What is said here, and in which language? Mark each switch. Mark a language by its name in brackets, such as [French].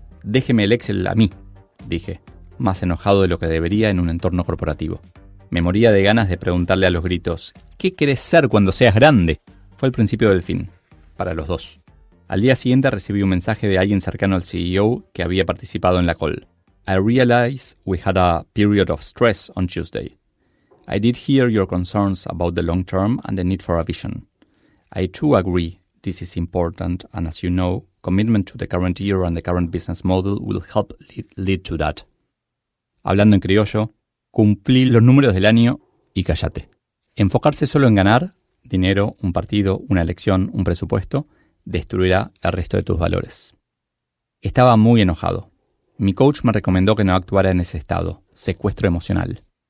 [Spanish] Déjeme el Excel a mí, dije, más enojado de lo que debería en un entorno corporativo. Me moría de ganas de preguntarle a los gritos, ¿qué querés ser cuando seas grande? Fue el principio del fin, para los dos. Al día siguiente recibí un mensaje de alguien cercano al CEO que había participado en la call. [English] I realize we had a period of stress on Tuesday. I did hear your concerns about the long term and the need for a vision. I too agree this is important, and as you know, commitment to the current year and the current business model will help lead to that. [Spanish] Hablando en criollo, cumplí los números del año y cállate. Enfocarse solo en ganar, dinero, un partido, una elección, un presupuesto, destruirá el resto de tus valores. Estaba muy enojado. Mi coach me recomendó que no actuara en ese estado, secuestro emocional.